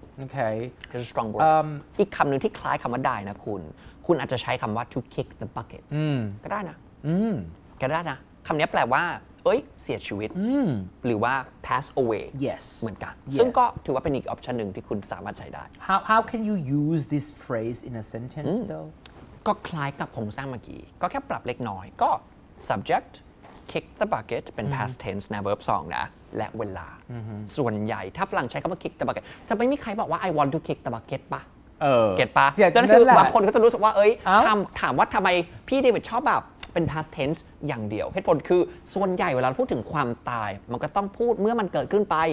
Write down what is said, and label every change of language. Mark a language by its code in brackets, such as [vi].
[en] Okay. It's a strong word. [th] อีกคำหนึ่งที่คล้ายคำว่าได้นะคุณอาจจะใช้คำว่า [en] to kick the bucket. [th] ก็ได้นะ ก็ได้นะคำนี้แปลว่าเอ้ยเสียชีวิต หรือว่า [en] pass away. Yes. [th] เหมือนกัน [en] yes. [th] ซึ่งก็ถือว่าเป็นอีก option หนึ่งที่คุณสามารถใช้ได้ [en] How can you use this phrase in a sentence though? [th] ก็คล้ายกับโครงสร้างเมื่อกี้ก็แค่ปรับเล็กน้อยก็ subject kick the bucket เป็น past tense นะ verb 2นะและเวลาส่วนใหญ่ถ้าฝรั่งใช้คำว่า kick the bucket จะไม่มีใครบอกว่า [en] I want to kick the bucket [th] ปะ เ ก็ตปะ เ ดี๋ ยว นั่นแหละ บางคนก็จะรู้สึกว่าเอ้ยถามว่าทำไมพี่เดวิดชอบแบบเป็น past tense อย่างเดียวเหตุผลคือส่วนใหญ่เวลาพูดถึงความตายมันก็ต้องพูดเมื่อมันเกิดขึ้นไป